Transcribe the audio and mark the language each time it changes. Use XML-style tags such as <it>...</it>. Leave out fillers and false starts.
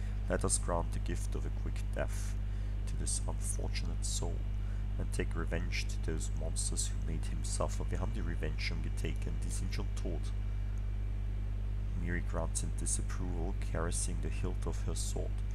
<en>Let us grant the gift of a quick death to this unfortunate soul and take revenge to those monsters who made him suffer.</en> <de>Wir haben die Revenge schon getaken, die sind schon tot.</de> <en>Miri grunts in disapproval, caressing the hilt of her sword.</en>